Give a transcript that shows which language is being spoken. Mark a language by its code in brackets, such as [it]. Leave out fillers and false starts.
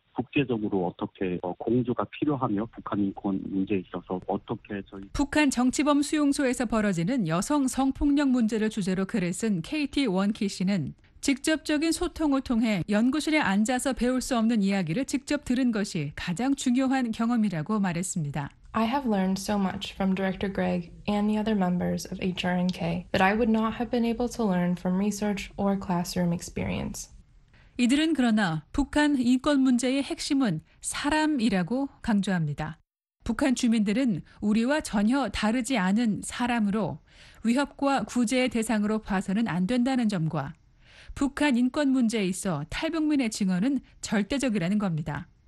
[ko] 국제적으로 어떻게 공조가 필요하며 북한 인권 문제에 있어서 어떻게 저희 북한 정치범 수용소에서 벌어지는 여성 성폭력 문제를 주제로 글을 쓴 KT 원키 씨는 직접적인 소통을 통해 연구실에 앉아서 배울 수 없는 이야기를 직접 들은 것이 가장 중요한 경험이라고 말했습니다. [en] I have learned so much from Director Greg and the other members of HRNK that I would not have been able to learn from research or classroom experience. [ko] 이들은 그러나 북한 인권 문제의 핵심은 사람이라고 강조합니다. 북한 주민들은 우리와 전혀 다르지 않은 사람으로 위협과 구제의 대상으로 봐서는 안 된다는 점과 북한 인권 문제에 있어 탈북민의 증언은 절대적이라는 겁니다.